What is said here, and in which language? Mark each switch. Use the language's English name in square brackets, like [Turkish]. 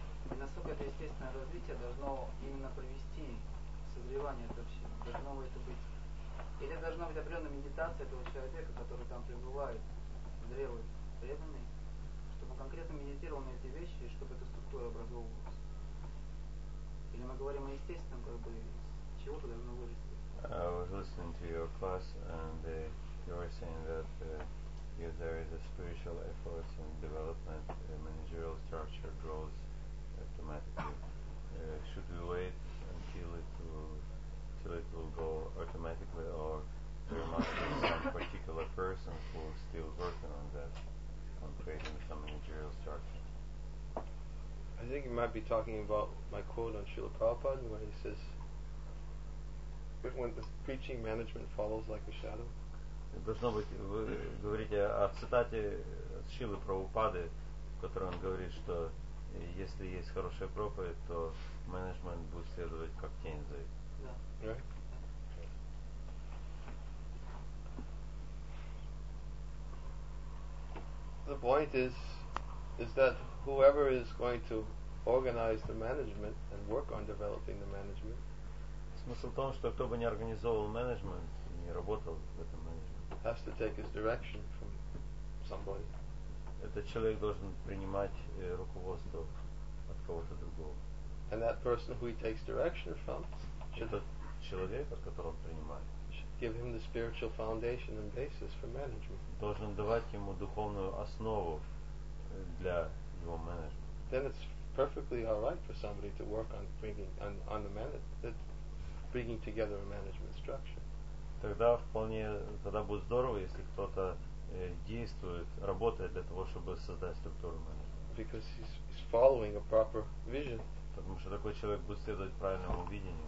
[Russian] И насколько это естественное развитие должно именно привести к созреванию этого общины, должно ли это быть? Или должна быть определенная медитация этого человека, который там пребывает, зрелый, преданный, чтобы конкретно медитировал на эти вещи, и чтобы эта структура образовывалась. Или мы говорим о естественном, как бы, из чего-то должно вырасти. [English] I was listening to your class, and you were saying that if there is a spiritual effort in development, the managerial structure grows automatically. Should we wait until it will go automatically, or there must be some particular person who is still working on that? On creating some material structure. I think you might be talking about my quote on Srila Prabhupada where he says when the preaching management follows like a shadow. [Russian] Должно быть, вы говорите о цитате Шилы Прабхупады, в которой он говорит, что если есть хорошая проповедь, то менеджмент будет следовать как тень за этим. [English] The point is that whoever is going to organize the management and work on developing the management. [Russian] Смысл в том, что кто бы не организовывал менеджмент, не работал в этом менеджменте. [English] Has to take his direction from somebody. [Russian] Этот человек должен принимать руководство от кого-то другого. [English] And that person who he takes direction from. [Russian] Этот человек, от которого он принимает. [English] Give him the spiritual foundation and basis for management. [Russian] Должен давать ему духовную основу для [English] your management. Then it's perfectly all right for somebody to work on bringing on the management, bringing together a management structure. [Russian] Тогда вполне, тогда будет здорово, если кто-то действует, работает для того, чтобы создать структуру менеджмента. [English] Because he's following a proper vision. [Russian] Потому что такой человек будет следовать правильному видению.